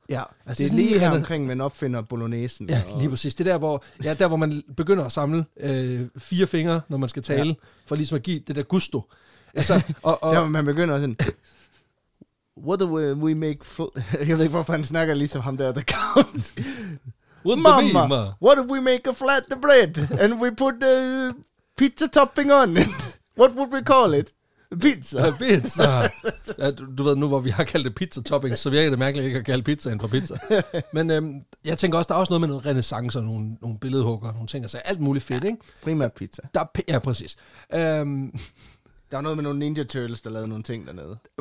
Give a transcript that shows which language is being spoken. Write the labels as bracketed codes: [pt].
[da] Ja, altså, det er lige her omkring, man opfinder bolognesen. Ja, lige præcis. Det er der, hvor man begynder at samle fire fingre, når man skal tale, for ligesom at give det der gusto. Altså, der, hvor man begynder sådan, [en] what do we make flour? [da] Jeg ved ikke, hvorfor han snakker ligesom ham der, the count. [en] With mama, what do we make a flat the bread? And we put the pizza topping on it. What would we call it? Pizza. Pizza. [da] Ja, du ved, nu hvor vi har kaldt det pizza-topping, så virker det mærkeligt ikke at kalde pizzaen for pizza. Men jeg tænker også, der er også noget med noget renaissance og nogle billedhugger, nogle ting, altså alt muligt fedt, ja, ikke? Primært pizza. Ja, præcis. Der er noget med nogle Ninja Turtles, der lavede nogle ting dernede.